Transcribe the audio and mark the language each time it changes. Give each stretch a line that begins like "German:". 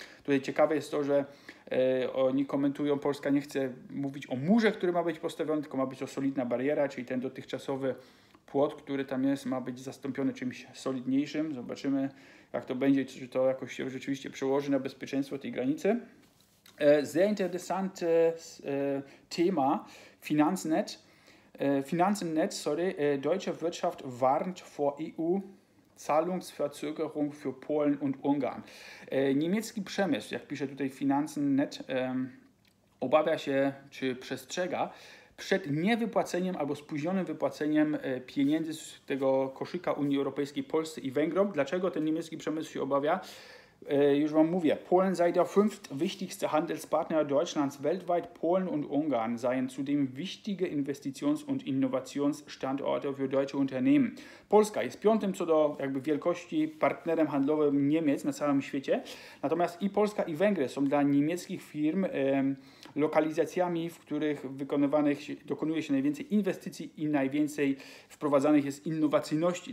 Polish: Tutaj ciekawe jest to, że oni komentują, Polska nie chce mówić o murze, który ma być postawiony, tylko ma być to solidna bariera, czyli ten dotychczasowy płot, który tam jest, ma być zastąpiony czymś solidniejszym. Zobaczymy, jak to będzie, czy to jakoś się rzeczywiście przełoży na bezpieczeństwo tej granicy.
German: Sehr interessantes Thema, Finanzennetz, deutsche Wirtschaft warnt vor EU Zahlungsverzögerung für Polen und Ungarn.
Polish: Niemiecki przemysł, jak pisze tutaj Finanzennetz, obawia się, czy przestrzega, przed niewypłaceniem albo spóźnionym wypłaceniem pieniędzy z tego koszyka Unii Europejskiej Polsce i Węgrom. Dlaczego ten niemiecki przemysł się obawia? Już wam mówię,
German: Polen sei der fünftwichtigste Handelspartner Deutschlands weltweit. Polen und Ungarn seien zudem wichtige Investitions- und Innovationsstandorte für deutsche Unternehmen.
Polish: Polska jest piątym co do jakby wielkości partnerem handlowym Niemiec na całym świecie. Natomiast i Polska, i Węgry są dla niemieckich firm lokalizacjami, w których dokonuje się najwięcej inwestycji i najwięcej wprowadzanych jest innowacyjności.